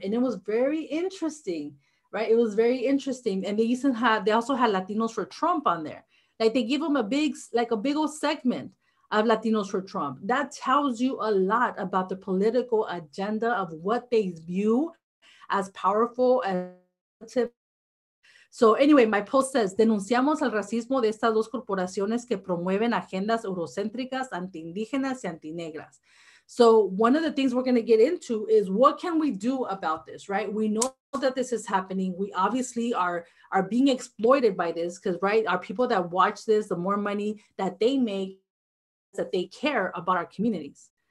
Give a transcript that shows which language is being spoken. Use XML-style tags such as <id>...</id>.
<en>And it was very interesting, right? It was very interesting. And they also had Latinos for Trump on there. Like they give them a big old segment of Latinos for Trump. That tells you a lot about the political agenda of what they view as powerful as. So anyway, my post says,</en> <es>denunciamos el racismo de estas dos corporaciones que promueven agendas eurocéntricas, anti-indígenas y anti-negras.</es> <en>So one of the things we're going to get into is what can we do about this, right? We know that this is happening. We obviously are being exploited by this because, right, our people that watch this, the more money that they make, that they care about our communities.</en>